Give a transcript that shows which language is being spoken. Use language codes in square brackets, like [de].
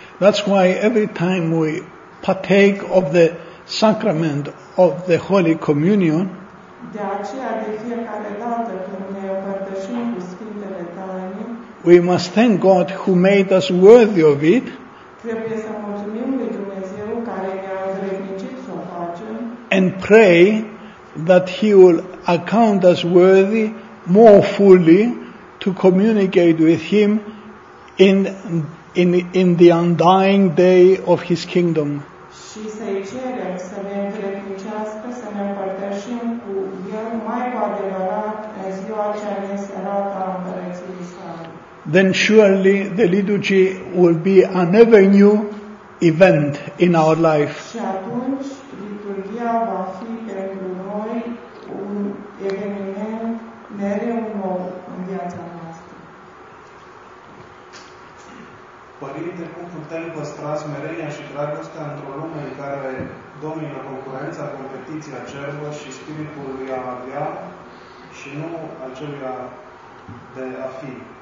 [en] That's why every time we partake of the sacrament of the Holy Communion, [ro] de aceea, de fiecare dată când ne împărtășim cu Sfintele Taine, [en] we must thank God who made us worthy of it, [ro] trebuie să mulțumim lui Dumnezeu care ne-a îndrepticit să o facem, [en] and pray that he will account us worthy more fully to communicate with him in the undying day of his kingdom. [ro] Și să-i cerem să ne îndreptnicească, să ne împărtășim cu El mai cu adevărat în ziua cea neserată a Împărăției Sale. [en] Then surely the liturgy will be an ever new event in our life. [ro] Și atunci liturgia va fi pentru noi un eveniment mereu nou în viața noastră. Părinte, cum putem păstra smerenia și dragostea într-o lume în care domină concurența, competiția cerbă și spiritul lui a avea și nu acelui de a fi?